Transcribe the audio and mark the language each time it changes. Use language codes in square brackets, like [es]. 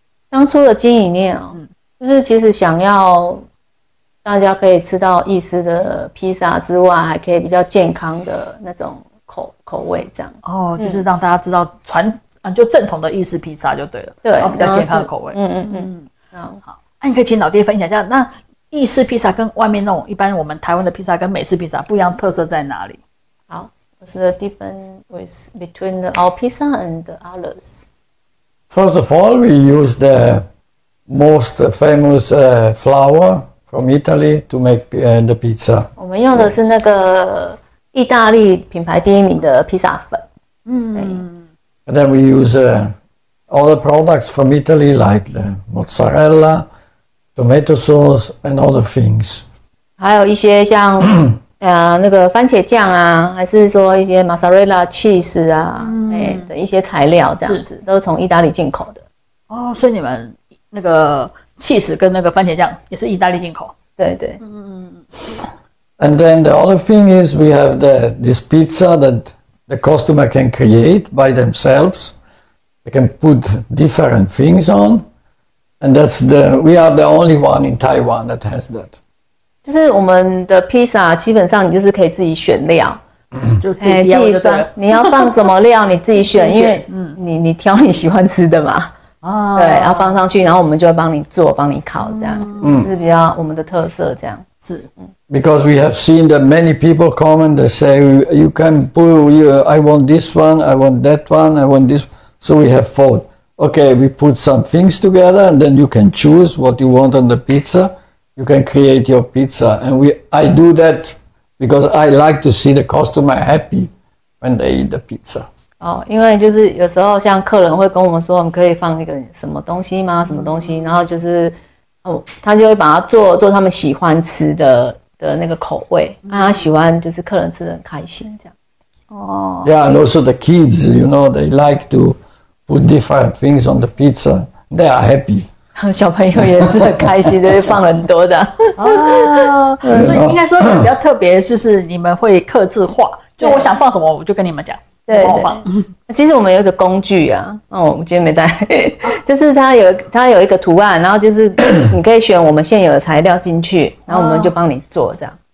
[zh] 当初的经营念就是其实想要大家可以吃到意式的披萨之外，还可以比较健康的那种口味这样。哦，就是让大家知道就正统的意式披萨就对了。对，然后比较健康的口味。嗯，好，那你可以请老爹分享一下，那意式披萨跟外面那种一般我们台湾的披萨跟美式披萨不一样特色在哪里？ [en] 好 ，What's the difference between our pizza and the others? First of all, we use the most famous flour from Italy to make the pizza. [zh] 我们用的是那个意大利品牌第一名的披萨粉。 [en] And then we use all the products from Italy, like the mozzarella, tomato sauce, and other things. [zh] 还有一些像那个番茄酱啊，还是说一些 mozzarella cheese 啊，的一些材料这样子，是都是从意大利进口的。哦，所以你们那个 cheese 跟那个番茄酱也是意大利进口？对对。 [en] And then the other thing is we have this pizza that the customer can create by themselves. They can put different things on, and that's we are the only one in Taiwan that has that. [zh] 就是我们的披萨基本上你就是可以自己选料，就自己放，你要放什么料你自己选，因为你挑你喜欢吃的嘛，对，然后放上去，然后我们就会帮你做，帮你烤这样，是比较我们的特色这样。是， [en] Because we have seen that many people come and they say you can pull I want this one, I want that one, I want this, so we have thought, okay, we put some things together and then you can choose what you want on the pizza. You can create your pizza, and I do that because I like to see the customer happy when they eat the pizza. [zh] 哦，因为就是有时候像客人会跟我们说，我们可以放一个什么东西吗？什么东西？然后就是他就会把它做他们喜欢吃的那个口味，让他喜欢，就是客人吃得很开心这样。哦。 [en] Yeah, and also the kids, you know, they like to put different things on the pizza. They are happy. [zh] 小朋友也是很开心的，放很多的啊，所以应该说比较特别，就是你们会客制化，就我想放什么，我就跟你们讲，对，帮我放。其实我们有一个工具啊，我今天没带，就是它有一个图案，然后就是你可以选我们现有的材料进去，然后我们就帮你做这样。